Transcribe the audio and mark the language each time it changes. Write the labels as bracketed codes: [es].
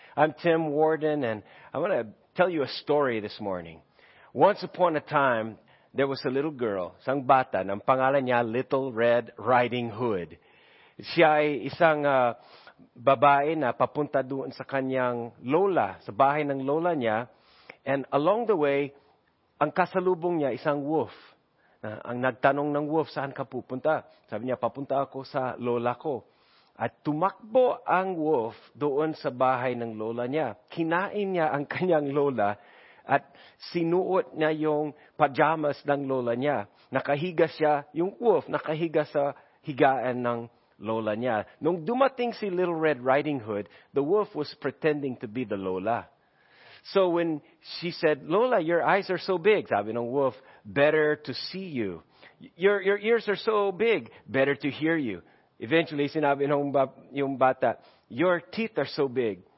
[en] I'm Tim Warden, and I want to tell you a story this morning. Once upon a time, there was a little girl, [tl] isang bata, ang pangalan niya, [en] Little Red Riding Hood. [tl] Siya ay isang babae na papunta doon sa kanyang lola, sa bahay ng lola niya. [en] And along the way, [tl] ang kasalubong niya, isang wolf. Ang nagtanong ng wolf, saan ka pupunta? Sabi niya, papunta ako sa lola ko. At tumakbo ang wolf doon sa bahay ng lola niya. Kinain niya ang kanyang lola at sinuot niya yung pajamas ng lola niya. Nakahiga siya, yung wolf, nakahiga sa higaan ng lola niya. Nung dumating si [en] Little Red Riding Hood, the wolf was pretending to be the lola. So when she said, "Lola, your eyes are so big," [tl] sabi ng wolf, [en] "better to see you. Your ears are so big, better to hear you." Eventually, [tl] sinabi ng yung bata, [en] "Your teeth are so big."